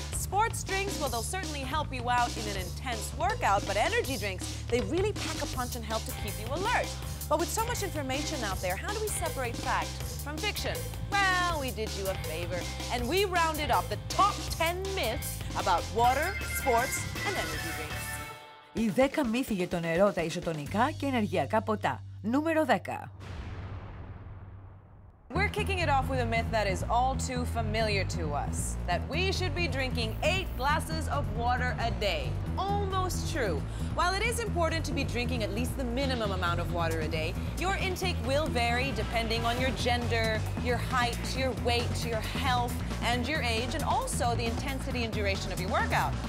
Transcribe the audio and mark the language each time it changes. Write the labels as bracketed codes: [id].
[en] Sports drinks, well, they'll certainly help you out in an intense workout, but energy drinks, they really pack a punch and help to keep you alert. But with so much information out there, how do we separate fact from fiction? Well, we did you a favor, and we rounded up the top 10 myths about water, sports, and energy drinks. [el] Οι 10 μύθοι για το νερό, τα ισοτονικά και ενεργειακά ποτά. Νούμερο 10. [en] We're kicking it off with a myth that is all too familiar to us, that we should be drinking 8 glasses of water a day. Almost true. While it is important to be drinking at least the minimum amount of water a day, your intake will vary depending on your gender, your height, your weight, your health, and your age, and also the intensity and duration of your workout.